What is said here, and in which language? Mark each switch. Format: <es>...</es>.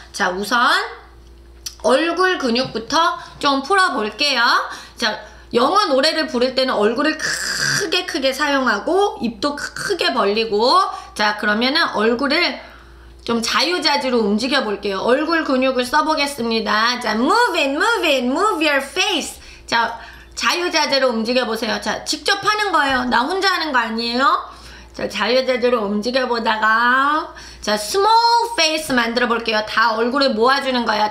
<ko>자, 우선 얼굴 근육부터 좀 풀어볼게요. 자, 영어 노래를 부를 때는 얼굴을 크게 크게 사용하고 입도 크게 벌리고, 자, 그러면은 얼굴을 좀 자유자재로 움직여 볼게요. 얼굴 근육을 써보겠습니다.</ko> <en>자, move it, move it, move your face.</en> <ko>자, 자유자재로 움직여 보세요. 자, 직접 하는 거예요. 나 혼자 하는 거 아니에요? 자, 자유자재로 움직여 보다가, 자, small face 만들어 볼게요. 다 얼굴을 모아주는 거예요.</ko>